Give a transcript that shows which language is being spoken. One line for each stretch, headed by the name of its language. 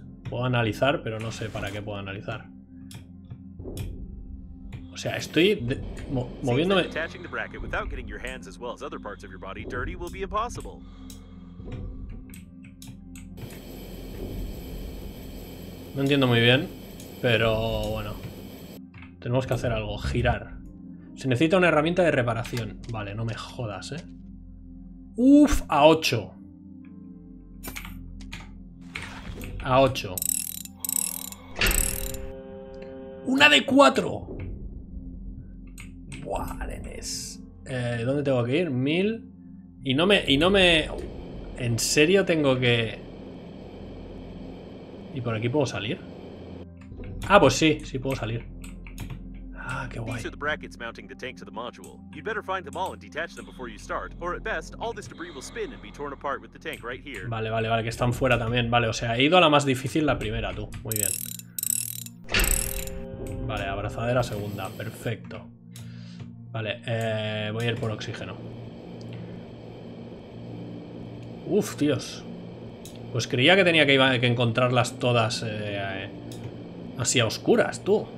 Spanish: Puedo analizar, pero no sé para qué puedo analizar. O sea, estoy moviéndome.
English: Attaching the bracket without getting your hands as well as other parts of your body dirty will be impossible.
Spanish: No entiendo muy bien, pero bueno. Tenemos que hacer algo, girar. Se necesita una herramienta de reparación. Vale, no me jodas, ¿eh? ¡Uf! A 8. A 8. ¡Una de 4! ¡Buah, nenes! ¿Dónde tengo que ir? 1000. Y no me... ¿En serio tengo que...? ¿Y por aquí puedo salir? Ah, pues sí, sí puedo salir. Ah, qué guay.
English: These are the brackets mounting the tank to the module. You'd better find them all and detach them before you start, or at best, all this debris will spin and be torn apart with the tank right here.
Spanish: Vale, vale, vale, que están fuera también. Vale, o sea, he ido a la más difícil la primera, tú. Muy bien. Vale, abrazadera segunda, perfecto. Vale, voy a ir por oxígeno. Uf, tíos. Pues creía que tenía que encontrarlas todas así a oscuras, tú.